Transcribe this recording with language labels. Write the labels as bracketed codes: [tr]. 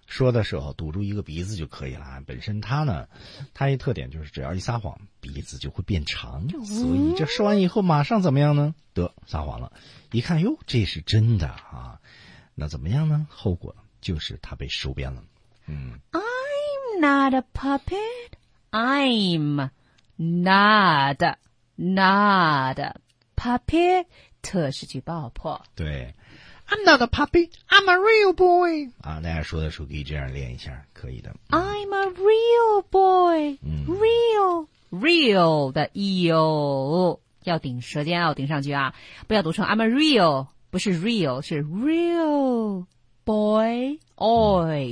[zh] 说的时候堵住一个鼻子就可以了。本身他呢，他一特点就是只要一撒谎鼻子就会变长，所以这说完以后马上怎么样呢，得撒谎了，一看哟这是真的啊，那怎么样呢，后果就是他被收编了。嗯， [en] I'm not a puppet, I'm not, not a puppet, [zh] 特是去爆破。对， [en] I'm not a puppy, I'm a real boy. [zh] 啊，大家说的时候可以这样练一下，可以的。嗯、 [en] I'm a real boy,、嗯、 [zh] real, real 的 eo, 要顶舌尖，要顶上去啊，不要读成 [en] I'm a real, [zh] 不是 real, 是 [en] real boy, oi,、